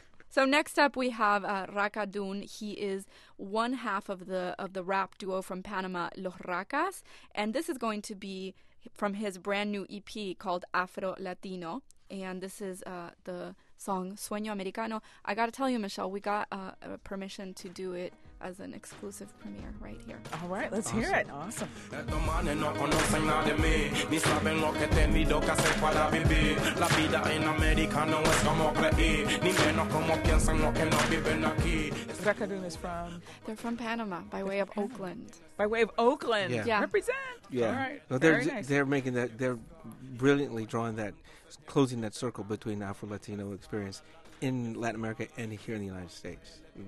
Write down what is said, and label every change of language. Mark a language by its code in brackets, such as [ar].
[en] So next up we have Raka Dun. He is one half of the rap duo from Panama, Los Racas, and this is going to be from his brand new EP called Afro Latino, and this is the song Sueño Americano. I gotta tell you, Michelle, we got permission to do it as an exclusive premiere right here. All right, let's hear it. Awesome. [es] Estos manes no conocen nada de mí, ni saben lo que he tenido que hacer para vivir. La vida en América no es como creí, ni menos como piensan los que no viven aquí. [en] Raka Dun is from? They're from Panama, by way of Oakland. By way of Oakland. Yeah. Represent. Yeah. All right. Well, they're making that, they're brilliantly drawing that, closing that circle between Afro-Latino experience in Latin America and here in the United States.